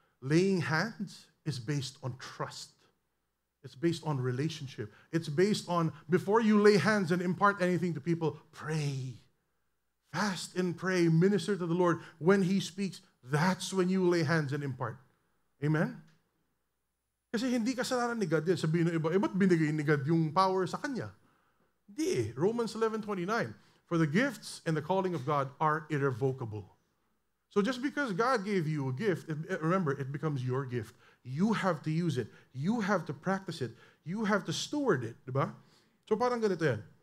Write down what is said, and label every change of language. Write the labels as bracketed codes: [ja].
[en] Laying hands is based on trust. It's based on relationship. It's based on, before you lay hands and impart anything to people, pray. Fast and pray. Minister to the Lord. When He speaks, that's when you lay hands and impart. [tl] Amen? Kasi hindi kasalanan ni God din. Sabihin ng iba, eh, ba't binigay ni God yung power sa kanya? Hindi. Romans 11:29. [en] For the gifts and the calling of God are irrevocable. So just because God gave you a gift, remember, it becomes your gift. You have to use it. You have to practice it. You have to steward it. [tl] Diba? So parang ganito yan.